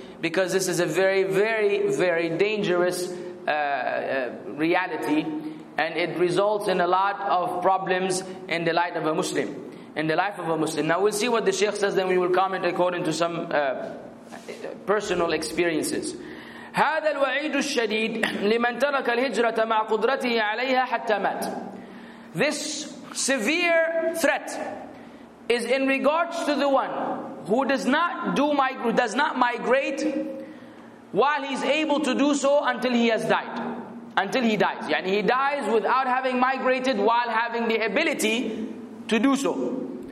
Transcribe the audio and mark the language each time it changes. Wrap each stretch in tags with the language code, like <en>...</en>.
<en>Because this is a very, very, very dangerous reality, and it results in a lot of problems in the light of a Muslim, in the life of a Muslim. Now we'll see what the Sheikh says, then we will comment according to some personal experiences.</en> <ar>هذا الوعيد الشديد لمن ترك الهجرة مع قدرته عليها حتى مات.</ar> <en>This severe threat is in regards to the one who does not migrate while he's able to do so until he has died. Until he dies. يعني he dies without having migrated while having the ability to do so.</en>